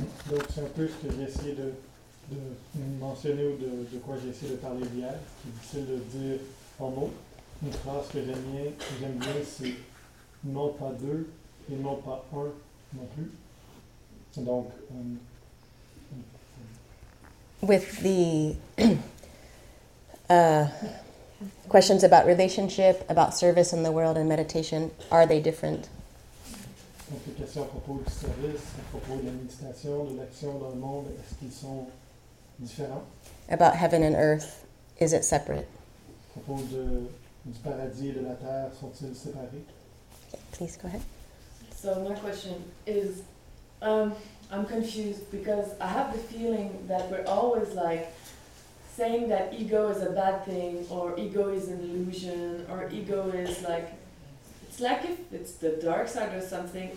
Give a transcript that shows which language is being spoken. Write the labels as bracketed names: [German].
[French] Donc c'est un peu ce que j'ai essayé de mentionner ou de quoi j'ai essayé de parler hier. C'est difficile de dire en mots. Une phrase que j'aime bien, c'est non pas deux et non pas un non plus. Donc, [English] with the questions about relationship, about service in the world and meditation, are they different? [French] Donc, les questions à propos du service, à propos de la méditation, de l'action dans le monde, est-ce qu'ils sont différents? [English] About heaven and earth, is it separate? [French] À propos du paradis et de la terre, sont-ils séparés? [English] Please go ahead. So my question is, I'm confused because I have the feeling that we're always like saying that ego is a bad thing or ego is an illusion or ego is like, it's like if it's the dark side or something.